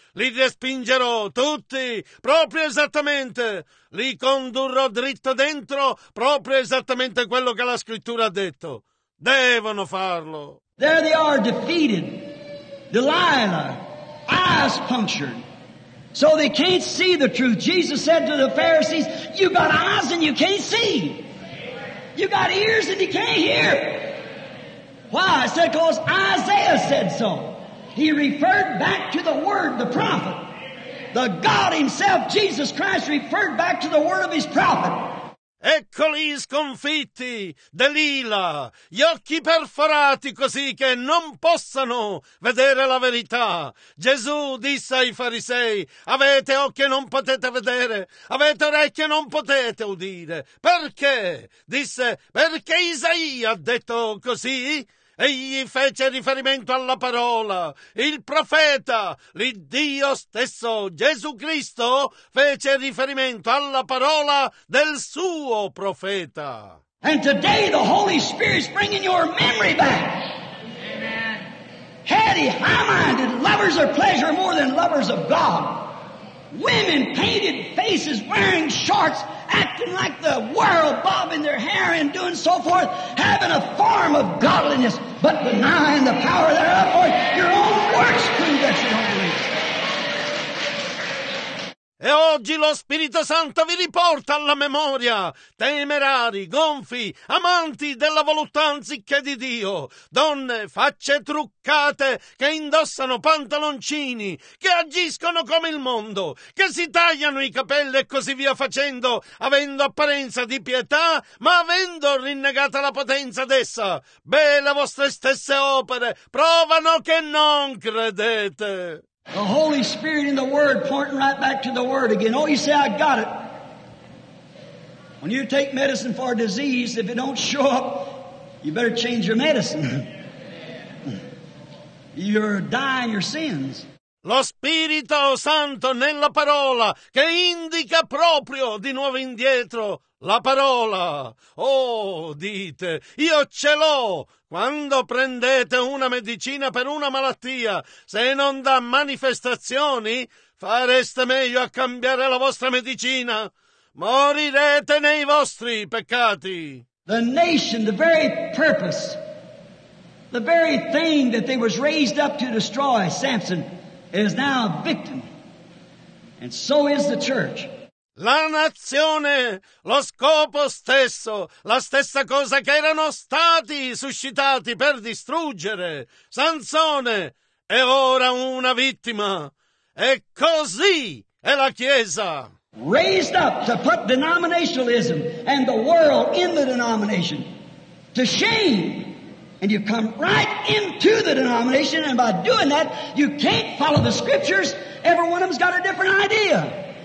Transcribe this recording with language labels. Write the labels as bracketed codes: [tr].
[it] Li respingerò tutti, proprio esattamente, li condurrò dritto dentro, proprio esattamente quello che la scrittura ha detto. Devono farlo. [en] There they are defeated, Delilah, eyes punctured. So they can't see the truth. Jesus said to the Pharisees, you got eyes and you can't see. You got ears and you can't hear. Why? I said, because Isaiah said so. He referred back to the word, the prophet. The God himself, Jesus Christ, referred back to the word of his prophet. [it] Eccoli sconfitti, Delilah, gli occhi perforati così che non possano vedere la verità. Gesù disse ai farisei, avete occhi e non potete vedere, avete orecchie e non potete udire. Perché? Disse, perché Isaia ha detto così? Egli fece riferimento alla parola, il profeta, il Dio stesso, Gesù Cristo, fece riferimento alla parola del suo profeta. [en] And today the Holy Spirit's bringing your memory back. Amen. Heady, high-minded, lovers of pleasure more than lovers of God. Women, painted faces, wearing shorts, acting like the world, bobbing their hair and doing so forth, having a form of godliness, but denying the power thereof, or your own works prove that you don't believe. [it] E oggi lo Spirito Santo vi riporta alla memoria, temerari, gonfi, amanti della voluttà anziché di Dio, donne, facce truccate, che indossano pantaloncini, che agiscono come il mondo, che si tagliano i capelli e così via facendo, avendo apparenza di pietà, ma avendo rinnegata la potenza d'essa. Beh, le vostre stesse opere provano che non credete. [en] The Holy Spirit in the Word pointing right back to the Word again. Oh, you say, I got it. When you take medicine for a disease, if it don't show up, you better change your medicine. You're dying your sins. [it] Lo Spirito Santo nella parola che indica proprio di nuovo indietro la parola. Oh, dite, io ce l'ho. Quando prendete una medicina per una malattia, se non dà manifestazioni, fareste meglio a cambiare la vostra medicina. Morirete nei vostri peccati. [en] The nation, the very purpose, the very thing that they was raised up to destroy, Samson, is now a victim. And so is the church. [it] La nazione, lo scopo stesso, la stessa cosa che erano stati suscitati per distruggere, Sansone, è ora una vittima. E così è la Chiesa. [en] Raised up to put denominationalism and the world in the denomination to shame. And you come right into the denomination, and by doing that, you can't follow the scriptures. Every one of them's got a different idea.